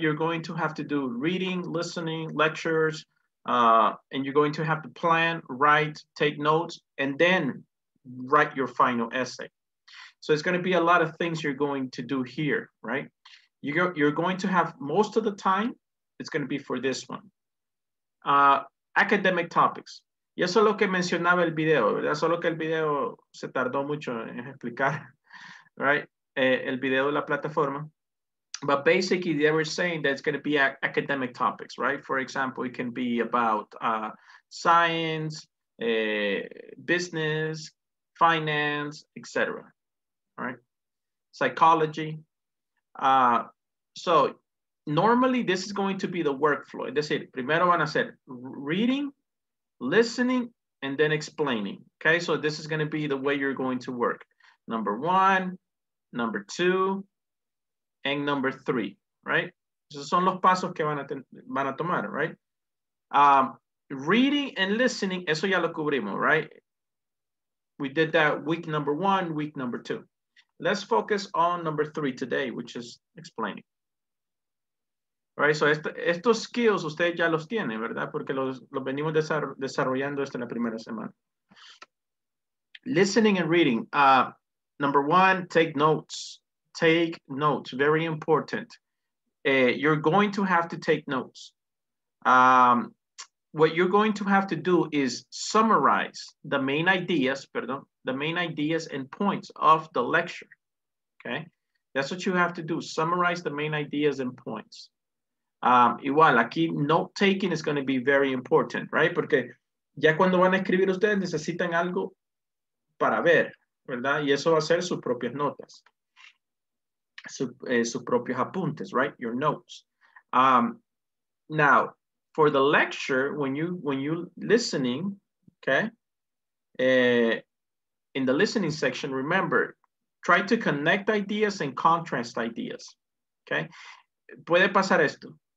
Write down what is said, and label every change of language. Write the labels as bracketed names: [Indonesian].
[English] You're going to have to do reading, listening, lectures, and you're going to have to plan, write, take notes, and then write your final essay. So it's going to be a lot of things you're going to do here, right? You're going to have most of the time, it's going to be for this one. Academic topics. [Spanish] Y eso es lo que mencionaba el video, ¿verdad? Eso es lo que el video se tardó mucho en explicar, [English] right? [Spanish] El video de la plataforma. [English] But basically, they were saying that it's going to be academic topics, right? For example, it can be about science, business, finance, etc. Right? Psychology. So normally, this is going to be the workflow. [Spanish] Es decir, primero van a hacer [English] reading, listening, and then explaining. Okay, so this is going to be the way you're going to work. Number one, number two, and number three, right? [Spanish] Esos son los pasos que van a tomar, right? [English] Reading and listening, [Spanish] eso ya lo cubrimos, right? [English] We did that week number one, week number two. Let's focus on number three today, which is explaining. All right, so [Spanish] estos skills ustedes ya los tienen, ¿verdad? Porque los venimos desarrollando esta la primera semana. [English] Listening and reading. Number one, take notes. Take notes, very important. You're going to have to take notes. What you're going to have to do is summarize the main ideas, and points of the lecture, okay? That's what you have to do, summarize the main ideas and points. [Spanish] Igual, aquí [English] note-taking is gonna be very important, right? [Spanish] Porque ya cuando van a escribir ustedes necesitan algo para ver, ¿verdad? Y eso va a ser sus propias notas. Sus propios apuntes, [English] right? Your notes. Now, for the lecture, when you listening, okay, in the listening section, remember, try to connect ideas and contrast ideas, okay? [Spanish] Puede pasar esto,